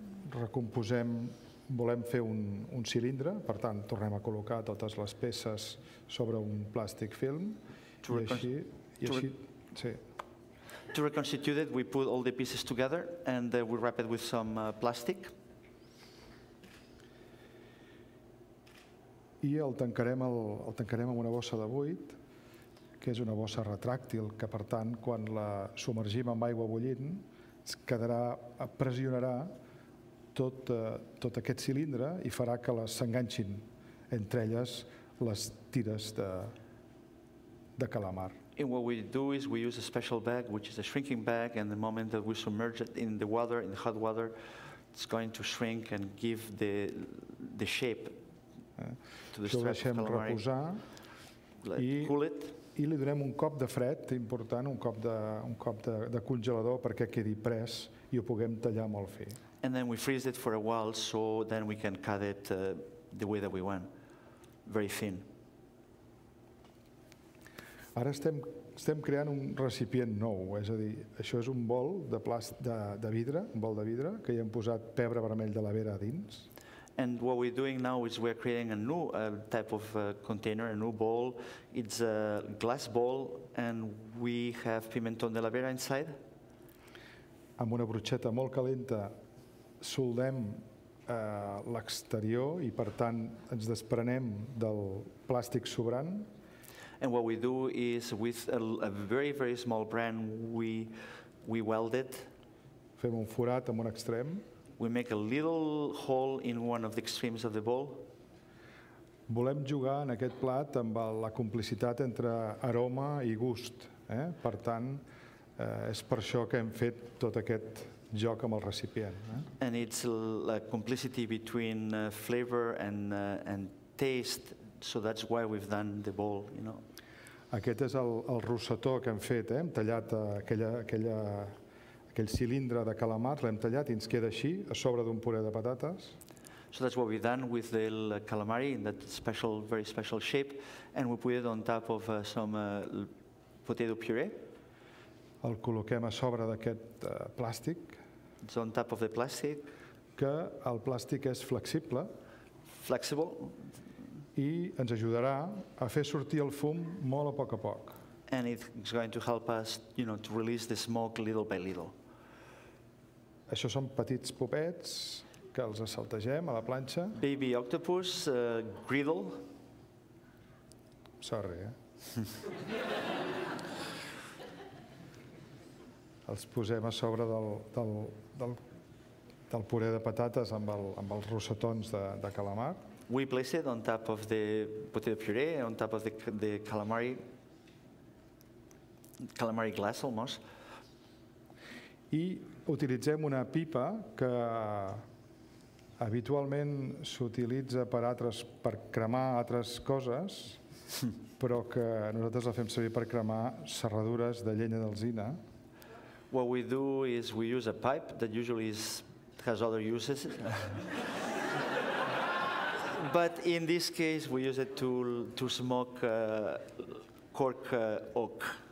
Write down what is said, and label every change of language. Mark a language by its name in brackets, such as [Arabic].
[Catalan] Recomposem, volem fer un cilindre, per tant, tornem a col·locar totes les peces sobre un plàstic film. [English] To reconstitute it, we put all the pieces together and we wrap it with some plastic. [Catalan] I el tancarem amb una bossa de buit, que és una bossa retràctil, que per tant, quan la submergim amb aigua bullint, es quedarà, pressionarà tot aquest cilindre i farà que les s'enganxin entre elles les tires de calamar. [English] And what we do is we use a special bag, which is a shrinking bag, and the moment that we submerge it in the water, in the hot water, it's going to shrink and give the shape to the strip of calamari. [Catalan] Reposar, [English] cool it. [Catalan] I li donem un cop de fred important, un cop de congelador perquè quedi pres i ho puguem tallar molt fi. [English] And then we freeze it for a while so then we can cut it the way that we want, very thin. [Catalan] Ara estem creant un recipient nou, és a dir, això és un bol de plàstic de vidre, un bol de vidre que hi hem posat pebre vermell de la Vera a dins. [English] And what we're doing now is we're creating a new type of container, a new bowl. It's a glass bowl, and we have pimenton de la Vera inside. [Catalan] Amb una bruixeta molt calenta, soldem l'exterior i, per tant, ens desprenem del plàstic sobrant. [English] And what we do is with a very, very small brand, we weld it. [Catalan] Fem un forat amb un extrem. [English] We make a little hole in one of the extremes of the bowl. [Catalan] Volem jugar en aquest plat amb la complicitat entre aroma i gust. Per tant, és per això que hem fet tot aquest joc amb el recipient. [English] And it's a complicity between flavor and taste, so that's why we've done the bowl, you know. [Catalan] Aquest és el rosetó que hem fet, hem tallat aquell cilindre de calamars, l'hem tallat i ens queda així, a sobre d'un puré de patates. [English] So that's what we've done with the calamari, in that special, very special shape, and we put it on top of some potato puree. [Catalan] El col·loquem a sobre d'aquest plàstic. [English] It's on top of the plastic. [Catalan] Que el plàstic és flexible. [English] Flexible. [Catalan] I ens ajudarà a fer sortir el fum molt a poc a poc. [English] And it's going to help us, you know, to release the smoke little by little. [Catalan] Això són petits popets que els assaltegem a la planxa. [English] Baby octopus, griddle. Sorry, eh? [Catalan] Els posem a sobre del puré de patates amb els rosetons de calamar. [English] We place it on top of the potato puree, on top of the calamari. Calamari glass, almost. [Catalan] I utilitzem una pipa que habitualment s'utilitza per altres, per cremar altres coses, però que nosaltres la fem servir per cremar serradures de llenya d'alzina. [English] What we do is we use a pipe that usually has other uses. But in this case, we use it to smoke cork oak.